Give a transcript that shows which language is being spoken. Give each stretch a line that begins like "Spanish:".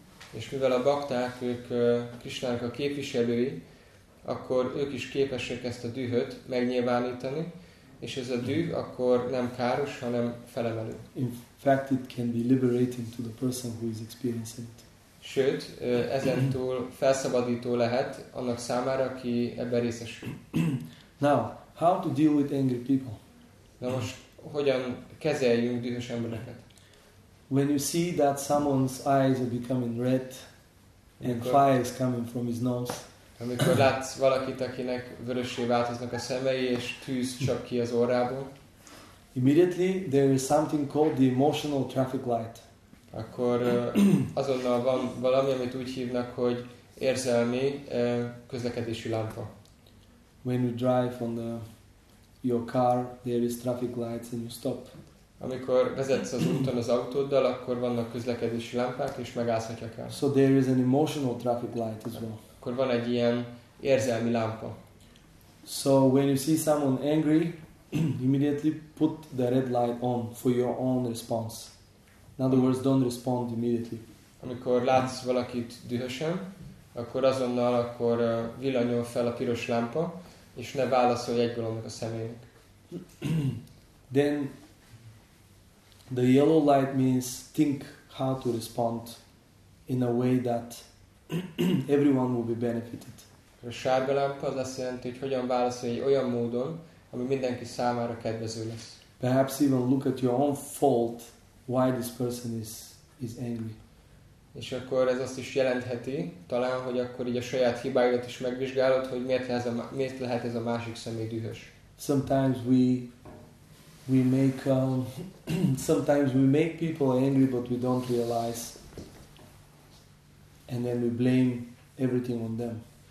Hungarian: És mivel a bakták, ők Krishnának a képviselői, akkor ők is képesek ezt a dühöt megnyilvánítani, és ez a düh akkor nem káros, hanem felemelő.
English: In fact, it can be liberating to the person who is experiencing it.
Hungarian: Sőt, ezentúl felszabadító lehet annak számára, aki ebben részesül.
English: Now, how to deal with angry people?
Hungarian: Na most, hogyan kezeljünk dühös embereket?
English: When you see that someone's eyes are becoming red, and fire is coming from his nose.
Hungarian: Amikor látsz valakit, akinek vörössé változnak a szemei, és tűz csap ki az orrából.
English: Immediately there is something called the emotional traffic light.
Hungarian: Akkor azonnal van valami, amit úgy hívnak, hogy érzelmi közlekedési lámpa.
English: When you drive on your car, there is traffic lights and you stop.
Hungarian: Amikor vezetsz az úton az autóddal, akkor vannak közlekedési lámpák, és megállhatják el.
English: So there is an emotional traffic light as well.
Hungarian: Akkor van egy ilyen érzelmi lámpa.
English: So when you see someone angry, immediately put the red light on for your own response. In other words, don't respond immediately.
Hungarian: Amikor látsz valakit dühösen, akkor azonnal akkor villanyol fel a piros lámpa, és ne válaszolj egyből annak a személynek.
English: Then the yellow light means think how to respond in a way that everyone will be benefited.
Hungarian: A sárga lámpa az azt jelenti, hogy hogyan válaszolj egy olyan módon, ami mindenki számára kedvező lesz.
English: Perhaps even look at your own fault. Why this person is angry?
Hungarian: És akkor ez azt is jelentheti, talán, hogy akkor így a saját hibáidat is megvizsgálod, hogy miért lehet ez a másik személy dühös.
English: Sometimes we make people angry, but we don't realize, and then we blame everything on them.